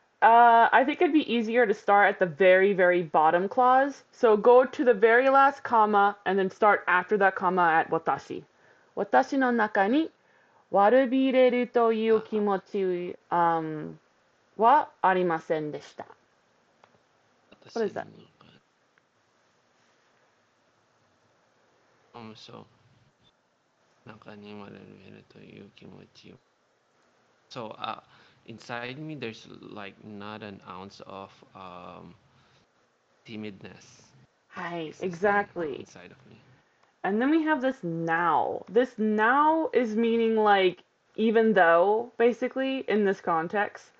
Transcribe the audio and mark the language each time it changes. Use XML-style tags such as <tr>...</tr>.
<en>I think it'd be easier to start at the very, very bottom clause. So go to the very last comma and then start after that comma at 私.</en> <ja>私の中に悪びれるという気持ち、はありませんでした。</ja> <en>What is</en> <ja>私</ja> <en>that?</en> <ja>の中に生まれるという気持ちを。</ja> <en>So, inside me, there's like not an ounce of timidness Hi, existing exactly. inside of me. And then we have this now. This now is meaning like even though, basically, in this context.</en>